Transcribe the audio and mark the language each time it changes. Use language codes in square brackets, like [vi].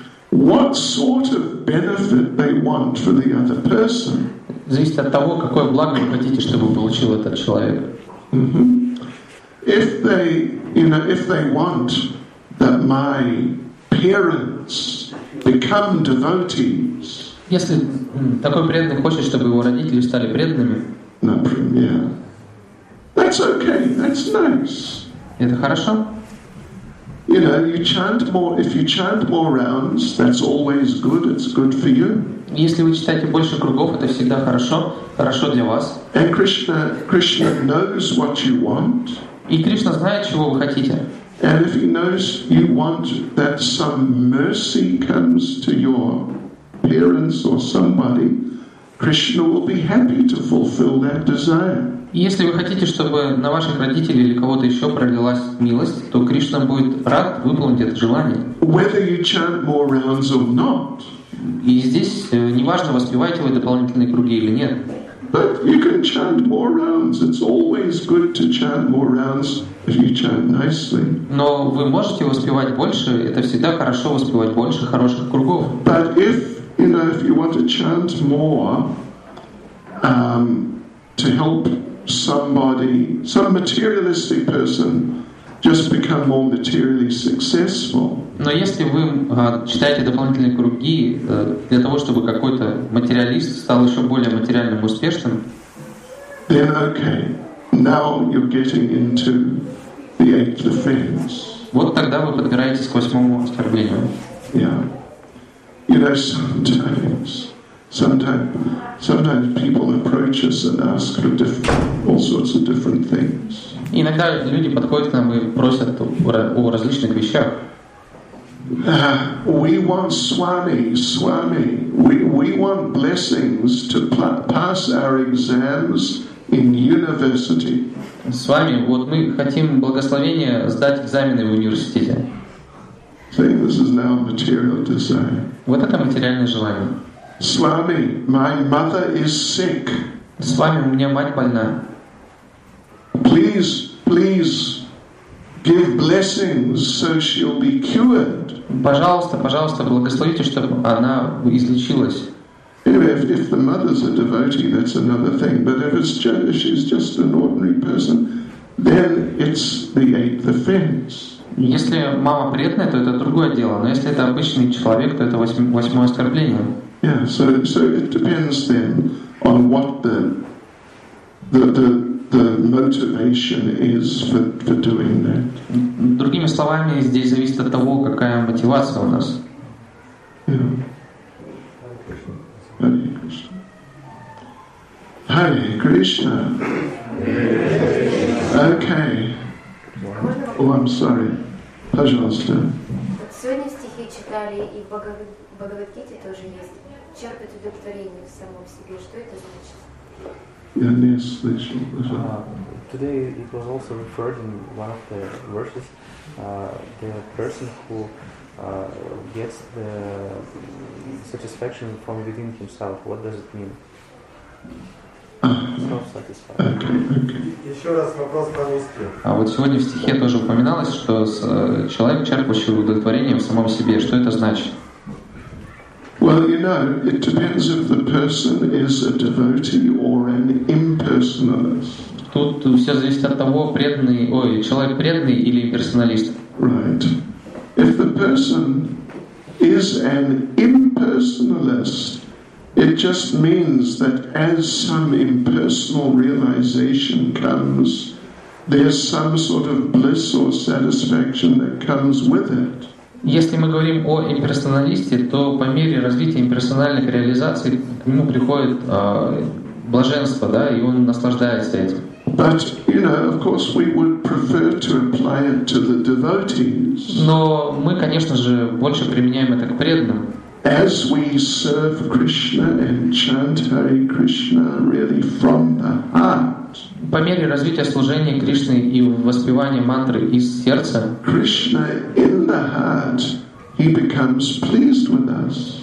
[en] What sort of benefit they want for the other person? [ru] Зависит от того, какое благо вы хотите, чтобы получил этот человек. [en] If they, you know, if they want that my parents become devotees. [ru] Если такой преданный хочет, чтобы его родители стали преданными. Например. [en] That's okay. That's nice. [ru] Это хорошо. [en] You know, you chant more. If you chant more rounds, that's always good. It's good for you. [ru] Если вы читаете больше кругов, это всегда хорошо, хорошо для вас. [en] And Krishna knows what you want. [ru] И Кришна знает, чего вы хотите. [en] And if he knows you want that some mercy comes to your parents or somebody, Krishna will be happy to fulfill that desire. [ru] Если вы хотите, чтобы на ваших родителей или кого-то еще пролилась милость, то Кришна будет рад выполнить это желание. [en] Whether you chant more rounds or not. [ru] И здесь неважно, воспеваете вы дополнительные круги или нет. [en] But you can chant more rounds. It's always good to chant more rounds if you chant nicely. [ru] Но вы можете воспевать больше. Это всегда хорошо воспевать больше хороших кругов. [en] But if, you know, if you want to chant more, to help somebody, some materialistic person, just become more materially successful. [ru] Но если вы читаете дополнительные круги для того, чтобы какой-то материалист стал еще более материальным успешным, [en] then okay, now you're getting into the eighth offense. [ru] Вот тогда вы подбираетесь к восьмому оскорблению. [en] Yeah. You know, sometimes people approach us and ask for all sorts of different things. [ru] Иногда люди подходят к нам и просят о различных вещах. [en] We want Swami. We want blessings to pass our exams in university. [ru] Swami, вот мы хотим благословения сдать экзамены в университете. [en] See, this is now material desire. [ru] Вот это материальное желание. [en] Swami, my mother is sick. [ru] Swami, у меня мать больна. [en] Please give blessings so she'll be cured. [ru] Пожалуйста, благословите, чтобы она излечилась. [en] If the mother's a devotee, that's another thing. But if it's just, if she's just an ordinary person, then it's the eighth offense. [ru] Если мама преданная, то это другое дело. Но если это обычный человек, то это восьмое оскорбление. [en] Yeah, so it depends then on what the motivation is for doing that. [ru] Другими словами, здесь зависит от того, какая мотивация у нас. [en] Yeah. Hare Krishna. Hare Krishna. Okay. Oh, I'm sorry. [ru] Пожалуйста. Вот сегодня стихи читали, и Бхагавад-гите тоже есть. Черпает удовлетворение в самом себе. Что это значит? Я не слышал. [en] Today it was also referred in one of the verses, the person who gets the satisfaction from within himself. What does it mean? Self-satisfied. Okay. [ru] Еще раз вопрос про мистер. А вот сегодня в стихе тоже упоминалось, что человек, черпающий удовлетворение в самом себе. Что это значит? [en] Well, you know, it depends if the person is a devotee or an impersonalist. [ru] Тут все зависит от того, преданный, ой, человек преданный или имперсоналист. [en] Right. If the person is an impersonalist, it just means that as some impersonal realization comes, there's some sort of bliss or satisfaction that comes with it. [ru] Если мы говорим о имперсоналисте, то по мере развития имперсональных реализаций к нему приходит блаженство, да, и он наслаждается этим. [en] But, you know, of course, we would prefer to apply it to the devotees. [ru] Но мы, конечно же, больше применяем это к преданным. [en] As we serve Krishna and chant Hare Krishna really from the heart. [ru] По мере развития служения Кришны и воспевания мантры из сердца. [en] Krishna in the heart, he becomes pleased with us.